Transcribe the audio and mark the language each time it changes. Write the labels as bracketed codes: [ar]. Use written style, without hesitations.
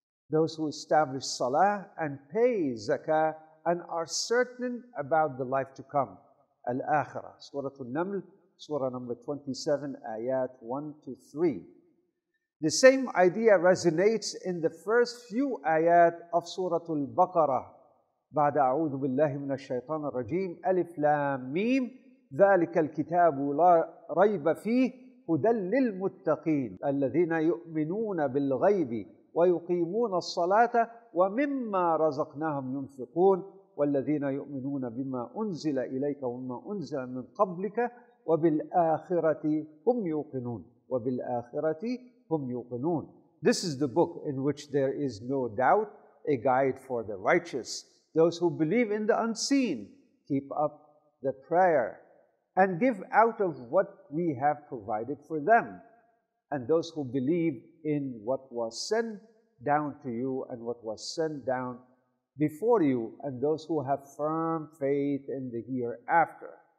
[en] Those who establish salah and pay zakah and are certain about the life to come. Al-Akhirah, Surah An-Naml, Surah number 27, Ayat 1 to 3. The same idea resonates in the first few ayat of Surah Al-Baqarah. [ar] بعد أعوذ بالله من الشيطان الرجيم ألف لام ميم ذلك الكتاب لا ريب فيه هدى للمتقين الذين يؤمنون بالغيب ويقيمون الصلاة ومما رزقناهم ينفقون والذين يؤمنون بما أنزل إليك وما أنزل من قبلك وبالآخرة هم يوقنون وبالآخرة هم يوقنون. [en] This is the book in which there is no doubt, a guide for the righteous. Those who believe in the unseen, keep up the prayer and give out of what we have provided for them. And those who believe in what was sent down to you and what was sent down before you, and those who have firm faith in the hereafter.